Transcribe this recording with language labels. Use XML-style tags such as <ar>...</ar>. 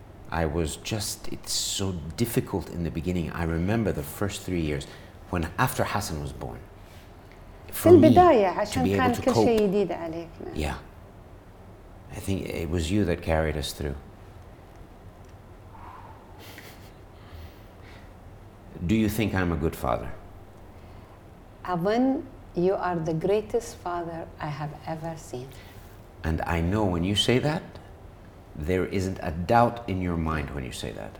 <en>I was just, it's so difficult in the beginning. I remember the first 3 years, when after Hassan was born.</en> <ar>في البداية عشان كان كل شيء جديد عليك.</ar> <en>Yeah. I think it was you that carried us through. Do you think I'm a good father? أظن you are the greatest father I have ever seen. And I know when you say that, there isn't a doubt in your mind when you say that.</en>